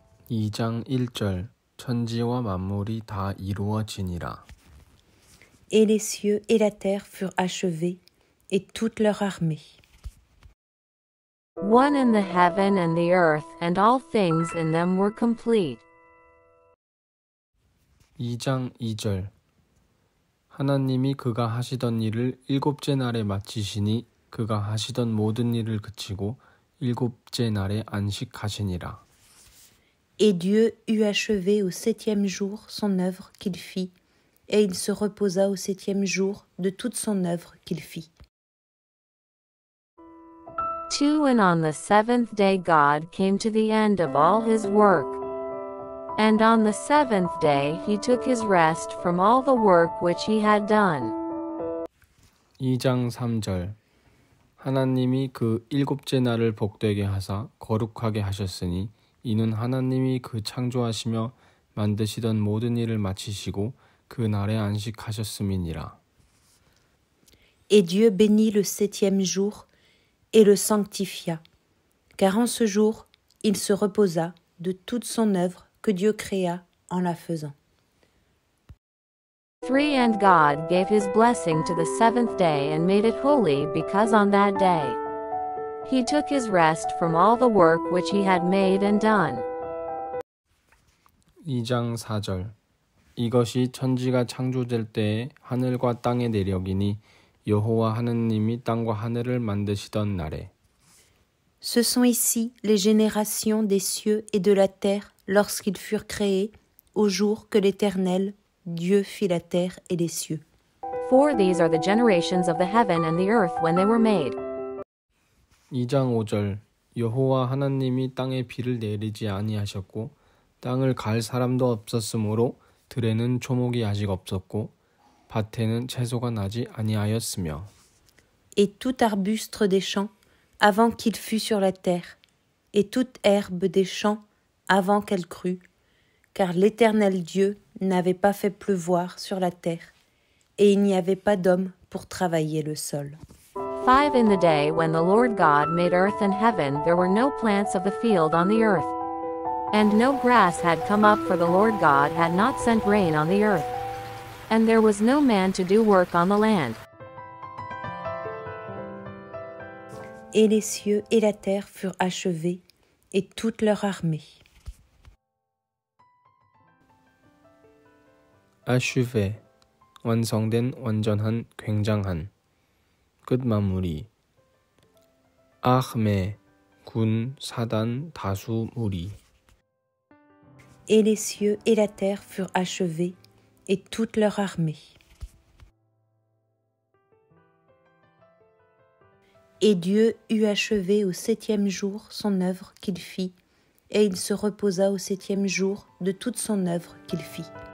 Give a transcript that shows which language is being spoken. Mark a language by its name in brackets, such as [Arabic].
[Korean] 2장 1절 천지와 만물이 다 이루어지니라. [French] Et les cieux et la terre furent achevés, et toute leur armée. [English] One in the heaven and the earth and all things in them were complete. [Korean] 2장 2절 하나님이 그가 하시던 일을 일곱째 날에 마치시니 그가 하시던 모든 일을 그치고 일곱째 날에 안식하시니라. [French] Et Dieu eut achevé au septième jour son œuvre qu'il fit, et il se reposa au septième jour de toute son œuvre qu'il fit. [English] Two, and on the seventh day God came to the end of all his work. And on the seventh day he took his rest from all the work which he had done. [Korean] 2장 3절 하나님이 그 일곱째 날을 복되게 하사 거룩하게 하셨으니 이는 하나님이 그 창조하시며 만드시던 모든 일을 마치시고 그 날에 안식하셨음이니라. [French] Et Dieu bénit le septième jour et le sanctifia, car en ce jour il se reposa de toute son œuvre que Dieu créa en la faisant. [English] Three, and God gave his blessing to the seventh day and made it holy because on that day he took his rest from all the work which he had made and done. [Korean] 2장 4절 이것이 천지가 창조될 때에 하늘과 땅의 내력이니 여호와 하느님이 땅과 하늘을 만드시던 날에. [French] Ce sont ici les générations des cieux et de la terre lorsqu'ils furent créés au jour que l'Éternel Dieu fit la terre et les cieux. [English] For these are the generations of the heaven and the earth when they were made. [Korean] 2장 5절 여호와 하나님이 땅에 비를 내리지 아니하셨고 땅을 갈 사람도 없었으므로 들에는 초목이 아직 없었고 밭에는 채소가 나지 아니하였으며 [French] Et tout arbuste des champs avant qu'il fût sur la terre et toute herbe des champs avant qu'elle crût car l'Éternel Dieu n'avait pas fait pleuvoir sur la terre et il n'y avait pas d'homme pour travailler le sol. [English] 5. In the day when the Lord God made earth and heaven, there were no plants of the field on the earth. And no grass had come up, for the Lord God had not sent rain on the earth. And there was no man to do work on the land. [French] Et les cieux et la terre furent achevés, et toute leur armée. [Korean] Achevé. 완성된, 완전한, 굉장한. 끝 마무리 아흐메 군 사단 다수 무리 [French] Et les cieux et la terre furent achevés et toute leur armée Et Dieu eut achevé au septième jour son œuvre qu'il fit et il se reposa au septième jour de toute son œuvre qu'il fit